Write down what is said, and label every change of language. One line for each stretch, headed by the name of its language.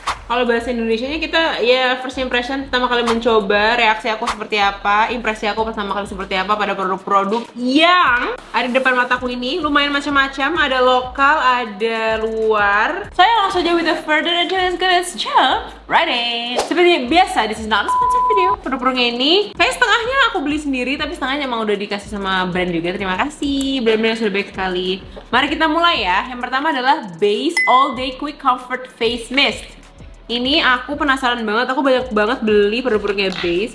Indonesian: Kalau bahasa Indonesianya kita ya first impression, pertama kali mencoba, reaksi aku seperti apa, impresi aku pertama kali seperti apa pada produk-produk yang ada di depan mataku ini. Lumayan macam-macam, ada lokal, ada luar. Saya langsung aja
English: with the further ado, let's go, let's jump right in.
Indonesian: Seperti biasa,
English: this is not a sponsored video.
Indonesian: Produk-produknya ini kayak setengahnya aku beli sendiri, tapi setengahnya emang udah dikasih sama brand juga. Terima kasih, brand-brand sudah baik sekali. Mari kita mulai ya. Yang pertama adalah Base All Day Quick Comfort Face Mist. Ini aku penasaran banget, aku banyak banget beli produk-produknya Base.